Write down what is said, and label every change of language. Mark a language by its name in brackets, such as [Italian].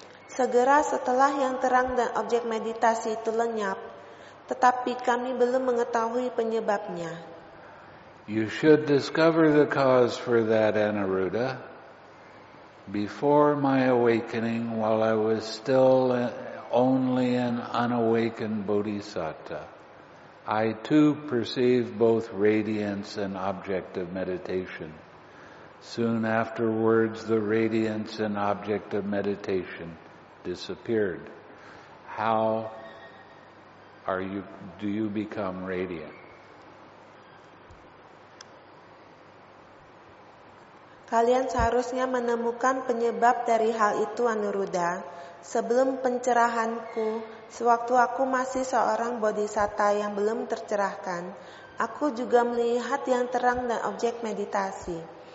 [Indonesian] Segera setelah yang terang dan objek meditasi itu lenyap, tetapi kami belum mengetahui penyebabnya. [English] You should discover the cause for that, Anuruddha. Before my awakening, while I was still only an unawakened bodhisattva, I too perceived both radiance and object of meditation. Soon afterwards, the radiance and object of meditation disappeared. How do you become radiant? [Indonesian] Kalian seharusnya menemukan penyebab dari hal itu, Anuruddha. Sebelum pencerahanku, sewaktu aku masih seorang bodhisatta yang belum tercerahkan, aku juga melihat yang terang dan objek meditasi.